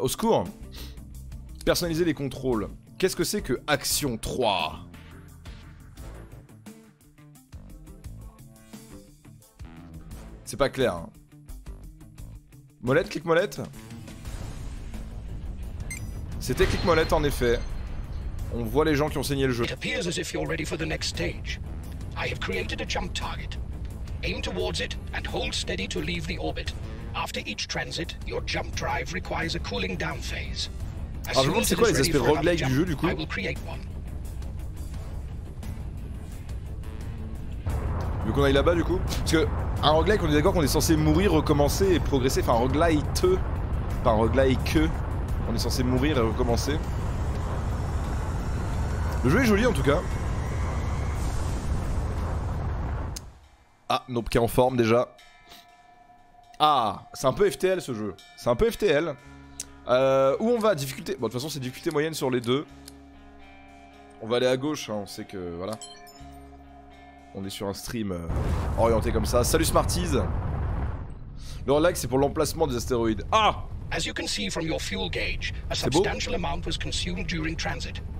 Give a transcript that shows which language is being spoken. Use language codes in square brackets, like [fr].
[fr] Au secours. Personnaliser les contrôles. Qu'est-ce que c'est que Action 3? C'est pas clair, hein. Molette, clic molette. C'était clic molette en effet. On voit les gens qui ont saigné le jeu. [en] It appears as if you're ready for the next stage. I have created a jump target. Aim towards it and hold steady to leave the orbit. After each transit, your jump drive requires a cooling down phase. [fr] Alors je me demande c'est quoi les aspects roguelike du jeu du coup. Vu qu'on aille là-bas du coup. Parce que un roguelike, on est d'accord qu'on est censé mourir, recommencer et progresser. Enfin roguelite. Pas un roguelike. On est censé mourir et recommencer. Le jeu est joli en tout cas. Ah, Nope qui est en forme déjà. Ah, c'est un peu FTL ce jeu. C'est un peu FTL. Où on va? Difficulté. Bon, de toute façon, c'est difficulté moyenne sur les deux. On va aller à gauche, hein, on sait que voilà. On est sur un stream orienté comme ça. Salut Smarties. Le relax, c'est pour l'emplacement des astéroïdes. Ah! [en] As you can see from your fuel gauge, a substantial amount was consumed during transit.